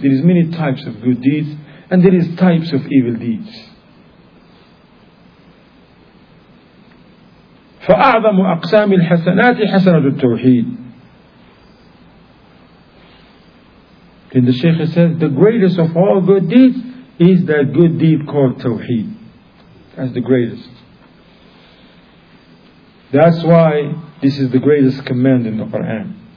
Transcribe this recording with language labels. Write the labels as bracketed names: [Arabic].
[English] There is many types of good deeds and there is types of evil deeds. [Arabic] فأعظم أقسام الحسنات حسنة التوحيد. [English] Then the Shaykh says, the greatest of all good deeds is that good deed called Tawheed. That's the greatest. That's why this is the greatest command in the Quran.